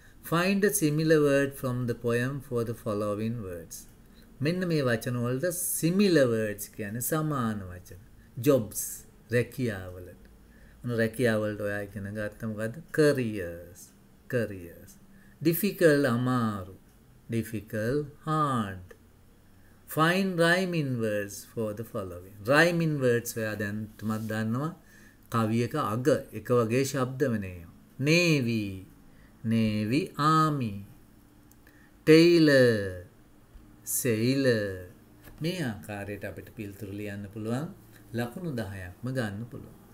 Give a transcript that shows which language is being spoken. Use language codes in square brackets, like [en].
[en] Find a similar word from the poem for the following words. [si] මෙන්න මේ වචන වලට similar words කියන්නේ සමාන වචන. Jobs රැකියාවලට. ඔන්න රැකියාවලට ඔයා ඉගෙන ගත්ත මොකද්ද? [en] Careers. Difficult අමාරු. Difficult hard. Find rhyming words for the following. [si] Rhyming words ඔයා දැන් තුමත් දන්නවා කවියක අග එක වගේ ශබ්දමනේ. [en] Navy army. Tailor sailor. [si] මේ ආකාරයට අපිට පිළිතුරු ලියන්න පුළුවන් ලකුණු 10ක්ම ගන්න පුළුවන්.